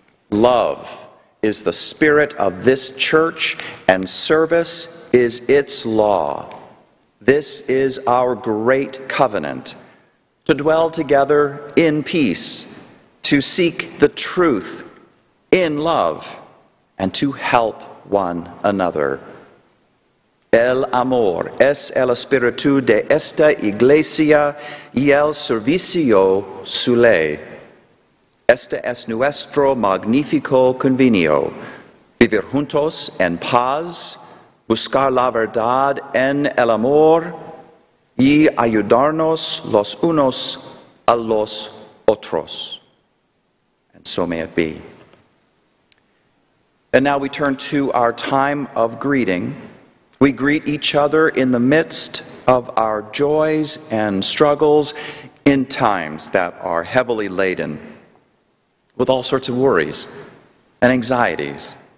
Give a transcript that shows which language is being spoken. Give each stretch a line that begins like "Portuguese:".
English: Love is the spirit of this church, and service is its law. This is our great covenant, to dwell together in peace, to seek the truth in love, and to help one another.
Spanish: El amor es el espíritu de esta iglesia y el servicio su ley. Este es nuestro magnífico convenio. Vivir juntos en paz, buscar la verdad en el amor y ayudarnos los unos a los otros.
English: And so may it be. And now we turn to our time of greeting. We greet each other in the midst of our joys and struggles in times that are heavily laden with all sorts of worries and anxieties.